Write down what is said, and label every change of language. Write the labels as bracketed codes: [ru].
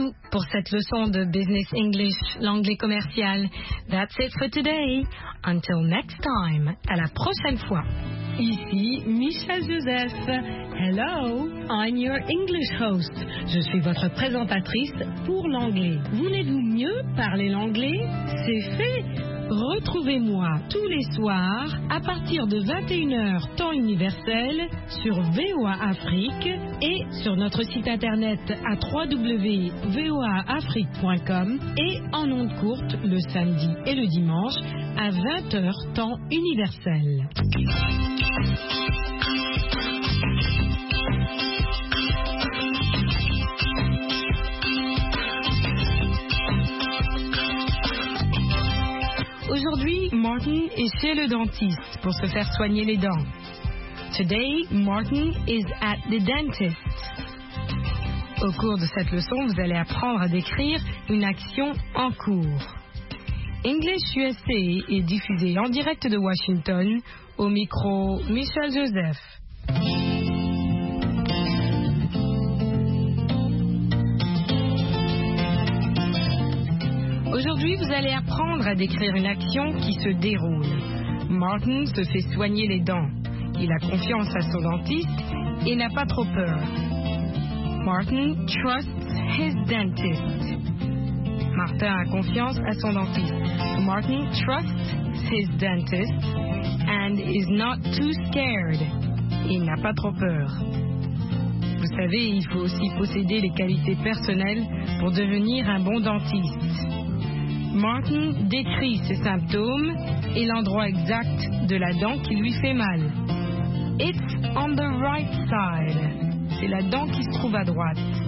[fr] Pour cette leçon de Business English, l'anglais commercial. [en] That's it for today. Until next time, [fr] à la prochaine fois. Ici Michel Joseph. [en] Hello, I'm your English host. [fr] Je suis votre présentatrice pour l'anglais. Voulez-vous mieux parler l'anglais? C'est fait. Retrouvez-moi tous les soirs à partir de 21h temps universel sur VOA Afrique et sur notre site internet à www.voaafrique.com et en ondes courtes le samedi et le dimanche à 20h temps universel. Aujourd'hui, Martin est chez le dentiste pour se faire soigner les dents. [en] Today, Martin is at the dentist. [fr] Au cours de cette leçon, vous allez apprendre à décrire une action en cours. English USA est diffusé en direct de Washington au micro Michel Joseph. Aujourd'hui, vous allez apprendre à décrire une action qui se déroule. Martin se fait soigner les dents. Il a confiance à son dentiste et n'a pas trop peur. [en] Martin trusts his dentist. [fr] Martin a confiance à son dentiste. [en] Martin trusts his dentist and is not too scared. [fr] Il n'a pas trop peur. Vous savez, il faut aussi posséder les qualités personnelles pour devenir un bon dentiste. Martin décrit ses symptômes et l'endroit exact de la dent qui lui fait mal. [en] It's on the right side. [fr] C'est la dent qui se trouve à droite.